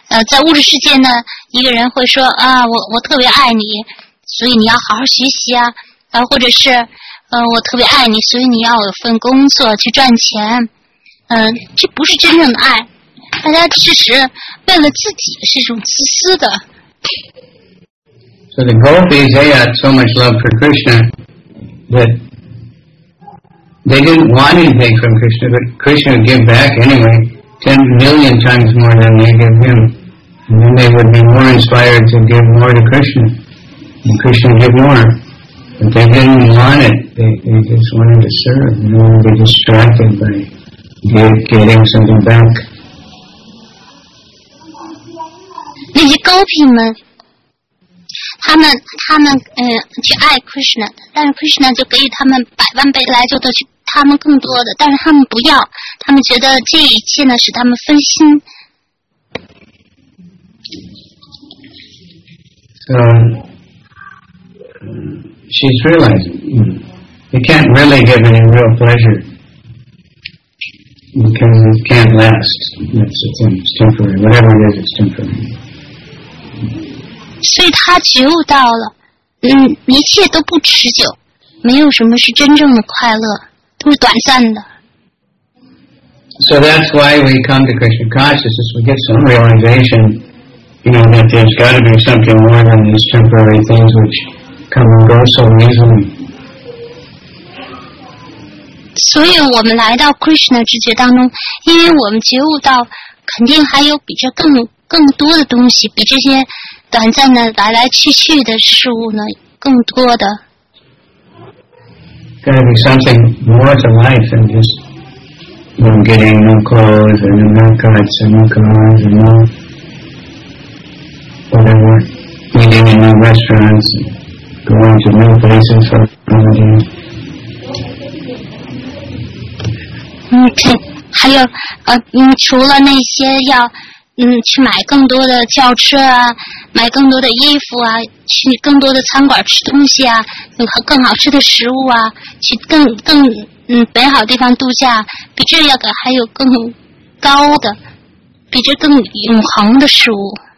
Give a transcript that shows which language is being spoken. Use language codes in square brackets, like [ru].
[zh] 在物质世界呢，一个人会说啊，我特别爱你，所以你要好好学习啊，或者是我特别爱你，所以你要有份工作去赚钱，这不是真正的爱，大家其实为了自己是一种自私的。 [en] So the gopis, they had so much love for Krishna that they didn't want anything from Krishna, but Krishna would give back anyway. 10 million times more than they give him. And then they would be more inspired to give more to Krishna. And Krishna would give more. But they didn't want it. They just wanted to serve. They wanted to be distracted by getting something back. [zh] 那些高品们，他们去爱 Krishna， 但是 Krishna 就给予他们百万倍来就得去他们更多的，但是他们不要，他们觉得这一切呢使他们分心。 [en] She's realizing you can't really give any real pleasure because it can't last. That's the thing. It's temporary. Whatever it is, it's temporary. [zh] 所以她觉悟到了，一切都不持久，没有什么是真正的快乐。 [en] So that's why we come to Krishna consciousness. We get some realization, you know, that there's got to be something more than these temporary things which come and go so easily. So we come to Krishna consciousness because we realize that there are probably more things than these temporary things which come and go so easily. There's got to be something more to life than just you know, getting new clothes and new cuts and new cars and new whatever, eating in new restaurants and going to new places for holidays. [zh] 还有除了那些要去买更多的轿车啊，买更多的衣服啊，去更多的餐馆吃东西啊，有更好吃的食物啊，去更美好的地方度假，比这要的还有更高的，比这更永恒的事物。